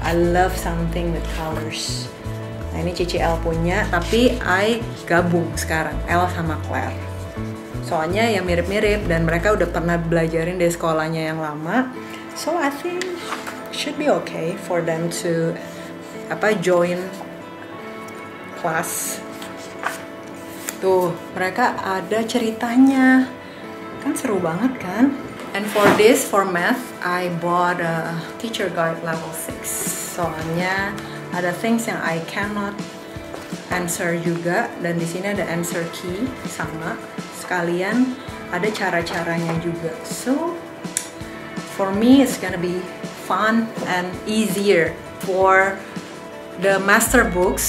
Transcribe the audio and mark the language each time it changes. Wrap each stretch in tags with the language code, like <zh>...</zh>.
<en>I love something with colors.</en> <id>Nah, ini CCL punya tapi</id> <en>I</en> <id>gabung sekarang Elle sama Claire. Soalnya ya mirip-mirip dan mereka udah pernah belajarin di sekolahnya yang lama.</id> <en>So I think should be okay for them to join class.</en> <id>Tuh, mereka ada ceritanya. Kan seru banget kan?</id> <en>And for this for math, I bought a teacher guide level 6.</en> <id>Soalnya ada</id> <en>things</en> <id>yang</id> <en>I cannot answer</en> <id>juga dan di sini ada</id> <en>answer key</en> <id>sama. Kalian ada cara-caranya juga.</id> <en>So for me it's gonna be fun and easier for the master books.</en>